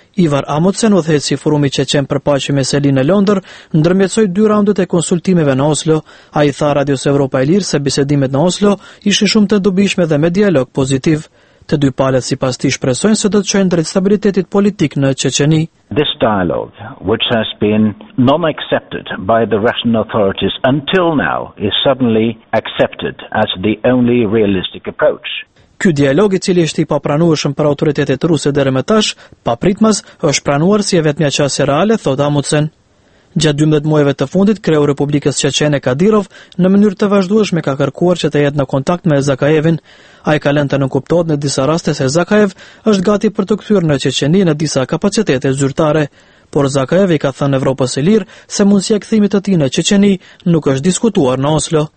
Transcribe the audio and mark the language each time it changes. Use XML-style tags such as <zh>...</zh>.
<sq>Ivar Amundsen, udhëheqësi i Forumit Çeqen për Paqe me Selin në Londër, ndërmjetësoi dy raundet e konsultimeve në Oslo. Ai tha Radios Evropa e Lirë se bisedimet në Oslo ishin shumë të dobishme dhe me dialog pozitiv. Të dy palët sipas tij shpresojnë se do të çojnë drejt stabilitetit politik në Çeqeni.</sq> <en>This dialogue, which has been non-accepted by the Russian authorities until now, is suddenly accepted as the only realistic approach.</en> <sq>Ky dialog, i cili është i papranueshëm për autoritetet ruse deri më tash, papritmas është pranuar si e vetmja çështje reale, thotë Amundsen. Gjatë 12 muajve të fundit, kreu Republikës Çeqene Kadirov në mënyrë të vazhdueshme ka kërkuar që të jetë në kontakt me Zakajevin. Ai ka lënë të nënkuptohet në disa raste se Zakajev është gati për të kthyer në Çeqeni në disa kapacitete zyrtare, por Zakajevi ka thënë Evropës së Lirë se mundësia e kthimit të tij në Çeqeni nuk është diskutuar në Oslo.</sq>